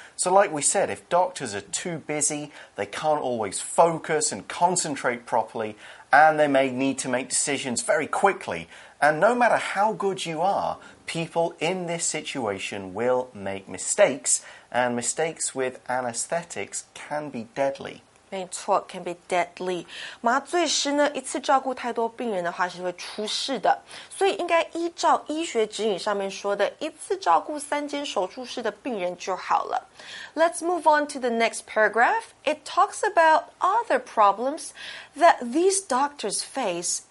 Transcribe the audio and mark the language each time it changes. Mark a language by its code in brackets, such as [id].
[en] So like we said, if doctors are too busy, they can't always focus and concentrate properly, and they may need to make decisions very quickly. And no matter how good you are,People in this situation will make mistakes, and mistakes with anesthetics can be deadly. [zh] 没错 [en] can be deadly. [zh] 麻醉师呢，一次照顾太多病人的话是会出事的。所以应该依照医学指引上面说的，一次照顾三间手术室的病人就好了。 [en] Let's move on to the next paragraph. It talks about other problems that these doctors face.